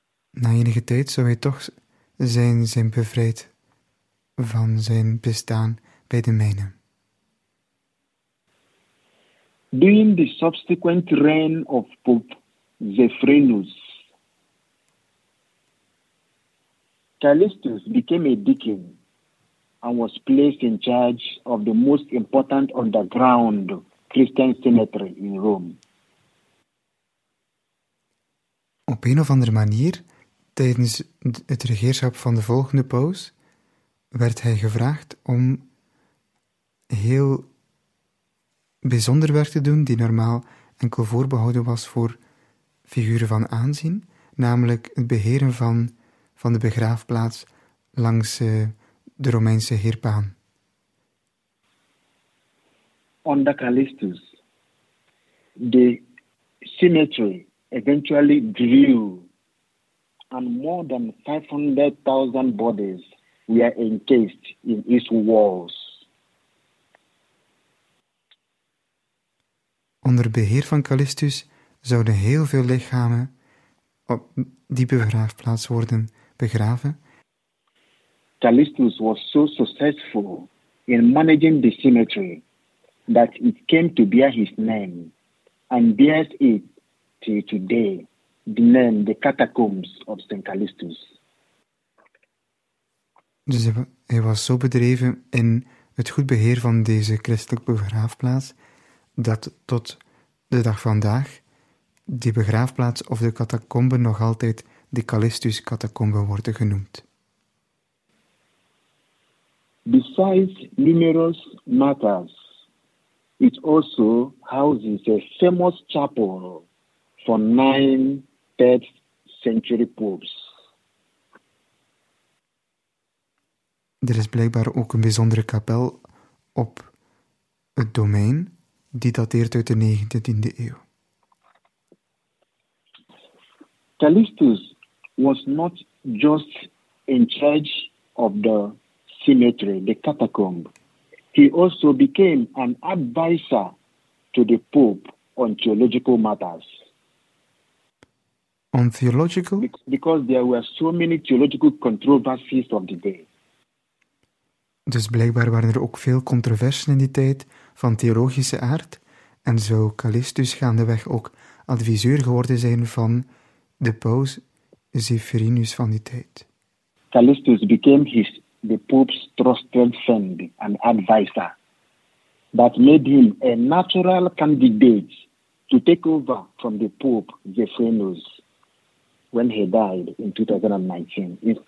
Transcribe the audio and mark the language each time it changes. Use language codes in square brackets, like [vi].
[nl] Na enige tijd zou hij toch zijn bevrijd van zijn bestaan bij de mijnen. [en] During the subsequent reign of Pope Zephyrinus, Callistus became a deacon and was placed in charge of the most important underground Christian cemetery in Rome. [nl] Op een of andere manier, tijdens het regeerschap van de volgende paus, werd hij gevraagd om heel bijzonder werk te doen die normaal enkel voorbehouden was voor figuren van aanzien, namelijk het beheren van de begraafplaats langs de Romeinse heerpaan. [en] Onder Callistus, the cemetery eventually grew and more than 500,000 bodies were encased in its walls. [nl] Onder beheer van Callistus zouden heel veel lichamen op die begraafplaats worden begraven. [en] Callistus was so successful in managing the cemetery that it came to bear his name and bears it till today, the name the Catacombs of St. Callistus. [nl] Dus hij was zo bedreven in het goed beheer van deze christelijke begraafplaats dat tot de dag vandaag die begraafplaats of de catacomben nog altijd de Callistus catacomben worden genoemd. [en] Besides numerous matters, it also houses a famous chapel for 9 third century popes. [nl] Er is blijkbaar ook een bijzondere kapel op het domein die dateert uit de 19e eeuw. [en] Callistus was not just in charge of the cemetery, the catacomb. He also became an advisor to the Pope on theological matters. On theological? Because there were so many theological controversies of the day. [nl] Dus blijkbaar waren er ook veel controversies in die tijd van theologische aard en zou Callistus gaandeweg ook adviseur geworden zijn van de paus Zephyrinus van die tijd. [en] Callistus became the Pope's trusted friend and advisor that made him a natural candidate to take over from the Pope Zephyrinus when he died in 219.